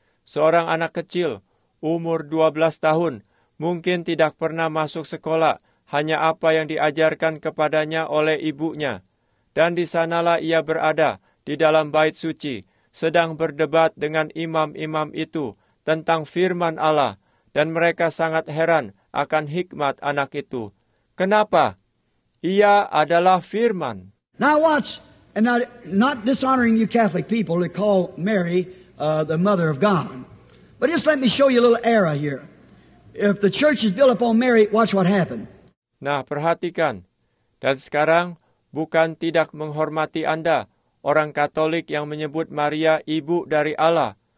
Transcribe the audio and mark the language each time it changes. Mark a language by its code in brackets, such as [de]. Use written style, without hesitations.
[id] Seorang anak kecil, umur 12 tahun, mungkin tidak pernah masuk sekolah, hanya apa yang diajarkan kepadanya oleh ibunya. Dan di sanalah ia berada, di dalam bait suci, sedang berdebat dengan imam-imam itu tentang firman Allah, dan mereka sangat heran akan hikmat anak itu. Kenapa? Ia adalah firman. [en] Now watch, and not dishonoring you Catholic people to call Mary the mother of God. But just let me show you a little error here. If the church is built upon Mary, watch what happened. [id] Nah, perhatikan. Dan sekarang, bukan tidak menghormati Anda, orang Katolik yang menyebut Maria ibu dari Allah.